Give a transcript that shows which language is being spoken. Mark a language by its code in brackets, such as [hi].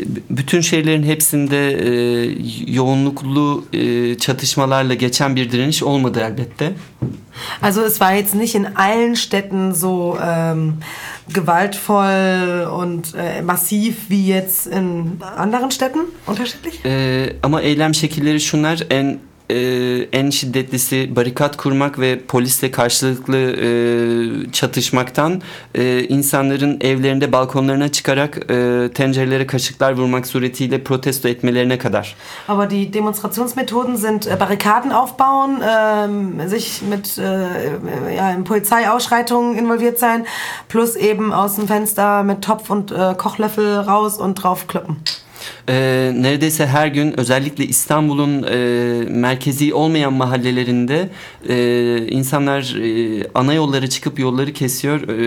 [tr] Bütün şehirlerin hepsinde yoğunluklu çatışmalarla geçen bir direniş olmadı elbette. [de] Also es war jetzt nicht in allen Städten so gewaltvoll und massiv wie jetzt in anderen Städten unterschiedlich. [tr] Ama eylem şekilleri şunlar: en şiddetlisi barikat kurmak ve polisle karşılıklı çatışmaktan insanların evlerinde balkonlarına çıkarak tencerelere kaşıklar vurmak suretiyle protesto etmelerine kadar. [de] Aber die Demonstrationsmethoden sind Barrikaden aufbauen, sich mit in Polizeiausschreitungen involviert sein, plus eben aus dem Fenster mit Topf und Kochlöffel raus und drauf kloppen. [tr] Neredeyse her gün özellikle İstanbul'un merkezi olmayan mahallelerinde insanlar ana yollara çıkıp yolları kesiyor.